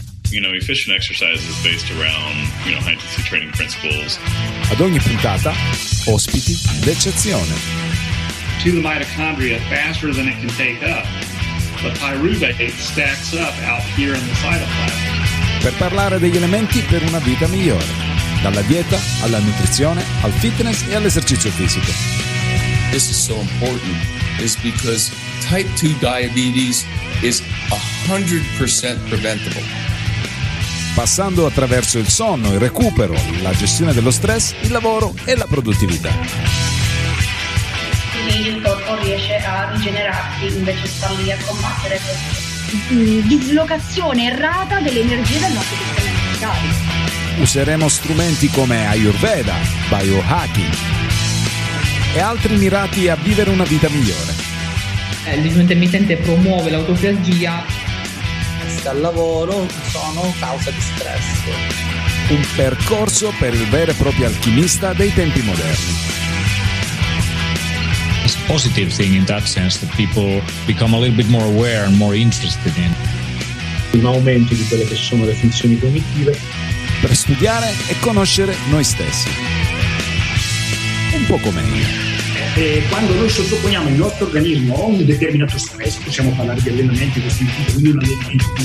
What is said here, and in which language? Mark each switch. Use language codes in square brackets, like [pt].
[en] You know, efficient exercise is based around, you know, high intensity training principles. [it] Ad ogni puntata, ospiti d'eccezione. [en] To the mitochondria faster than it can take up. The pyruvate stacks up out here in the cytoplasm. [it] Per parlare degli elementi per una vita migliore. Dalla dieta alla nutrizione, al fitness e all'esercizio fisico. [en] This is so important is because type 2 diabetes is 100% preventable. [it] Passando attraverso il sonno, il recupero, la gestione dello stress, il lavoro e la produttività. Quindi il corpo riesce a rigenerarsi invece sta lì a combattere dislocazione errata dell'energia del nostro sistema mentale. Useremo strumenti come Ayurveda, biohacking e altri mirati a vivere una vita migliore. Il digiuno intermittente promuove l'autofagia. Al lavoro sono causa di stress. Un percorso per il vero e proprio alchimista dei tempi moderni. [en] It's a positive thing in that sense that people become a little bit more aware and more interested in. [it] Un aumento di quelle che sono le funzioni cognitive. Per studiare e conoscere noi stessi. Un po' come io. Quando noi sottoponiamo il nostro organismo a un determinato stress, possiamo parlare di allenamenti, questo tipo, ognuno di noi.